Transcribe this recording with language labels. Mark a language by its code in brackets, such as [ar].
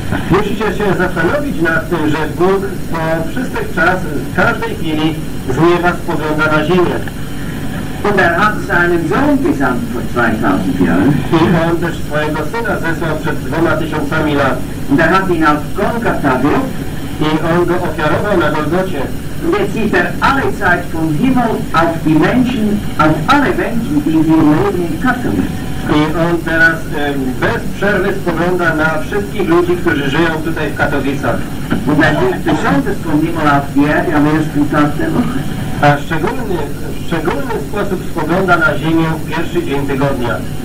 [pl] Musicie się zastanowić nad tym, że Bóg po wszystkich czas, w każdej chwili z nieba spogląda na ziemię. [de] Und er hat seinen Sohn gesandt vor 2000 Jahren. [pl] I on też swojego syna zesłał przed 2000 lat. [de] Und er hat ihn auf Golgatha gebracht. [pl] I on go ofiarował na Golgocie. [de] Und jetzt sieht er alle Zeit vom Himmel auf die Menschen, auf alle Menschen, die in ihrem Leben in Katowice. [pl] I on teraz bez przerwy spogląda na wszystkich ludzi, którzy żyją tutaj w Katowicach. [de] Und er sieht besonders vom Himmel auf die Erde am ersten Tag der Woche. [pl] A szczególny sposób spogląda na ziemię w pierwszy dzień tygodnia.